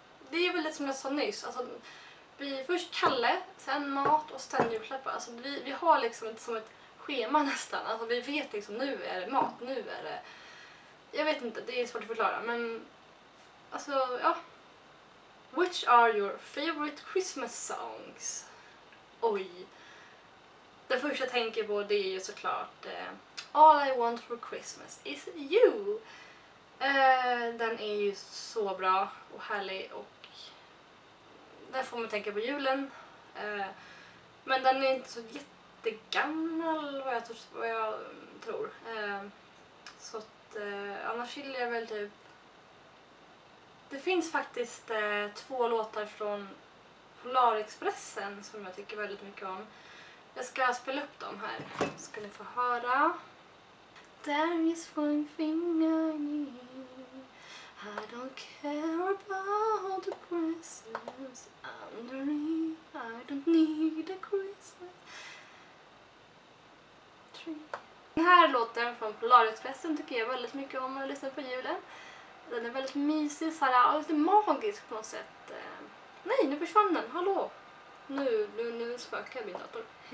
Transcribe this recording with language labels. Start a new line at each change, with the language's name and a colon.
Swedish: Det är väl lite som jag sa nyss. Alltså, vi först Kalle, sen mat och sen julklappar. Alltså, vi har liksom ett, som ett schema nästan. Alltså, vi vet liksom, nu är det mat, nu är det... Jag vet inte, det är svårt att förklara, men... Alltså, ja...
English: Which are your favorite Christmas songs?
Swedish: Oj. Det första jag tänker på, det är ju såklart All I Want For Christmas Is You. Den är ju så bra och härlig, och där får man tänka på julen. Men den är inte så jättegammal vad jag tror. Så att annars gillar jag väl typ... Det finns faktiskt två låtar från Polarexpressen som jag tycker väldigt mycket om. Jag ska spela upp dem här. Ska ni få höra.
English: There is one thing I need. I don't care about the Christmas underneath. I don't need a Christmas tree.
Swedish: Den här låten från Polarexpressen tycker jag väldigt mycket om när jag lyssnar på julen. Den är väldigt mysig, såhär, och lite magisk på något sätt. Nej, nu försvann den, hallå! Nu spökar jag min dator.